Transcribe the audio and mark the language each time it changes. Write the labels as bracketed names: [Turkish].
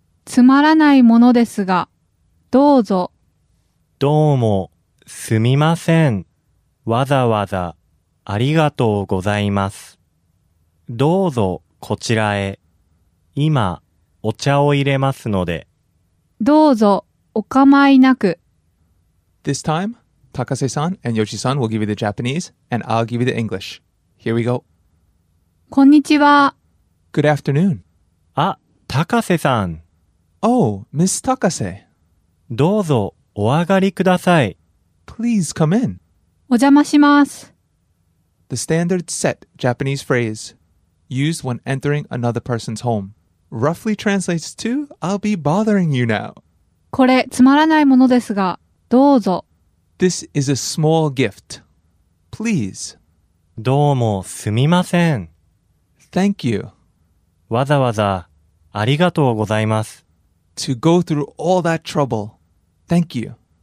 [Japanese] つまらないものですが、どうぞ。どうも、すみません。わざわざ、ありがとうございます。どうぞ、こちらへ。今、お茶を入れますので。どうぞ、お構いなく。 [English] This time, Takase-san and Yoshi-san will give you the Japanese, and I'll give you the English. Here we go. [Japanese] こんにちは。 [English] Good afternoon. [Japanese] あ、Takase-san。 [English] Oh, Miss Takase. [Japanese] どうぞお上がりください。 [English] Please come in. [Japanese] お邪魔します。 [English] The standard set Japanese phrase used when entering another person's home. roughly translates to, I'll be bothering you now. [Japanese] これつまらないものですが、どうぞ。 [English] This is a small gift. Please. [Japanese] どうもすみません。 [English] Thank you. [Japanese] わざわざありがとうございます。 [English] To go through all that trouble. Thank you.